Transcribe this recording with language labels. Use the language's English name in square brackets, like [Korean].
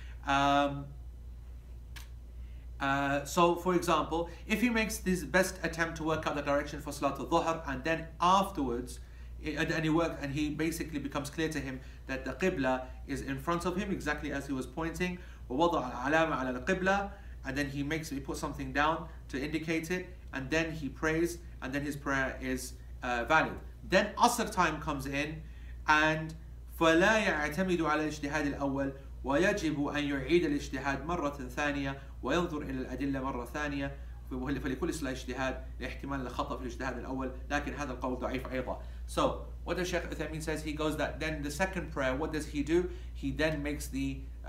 [English] So for example, if he makes this best attempt to work out the direction for Salat al-Dhuhr, and then afterwards and he basically becomes clear to him that the Qibla is in front of him exactly as he was pointing, [Arabic] وَوَضَعَ الْعَلَامَ عَلَى الْقِبْلَ, [English] and then he puts something down to indicate it, and then he prays, and then his prayer is valid. Then Asr time comes in, and [Arabic] فَلَا يَعْتَمِدُ عَلَى الْإِجْتِهَادِ الْأَوَّلِ وَيَجِبُ أَنْ يُعِيدَ الْإِجْتِهَادِ مَرَّةً ثَانِيَةً وينظر إلى الأدلة مرة ثانية فلكل صلاة اجتهاد لاحتمال الخطأ في الاجتهاد الأول لكن هذا القول ضعيف أيضا. [English] So what does Sheikh Uthaymeen says? He goes that then the second prayer, what does he do? He then makes the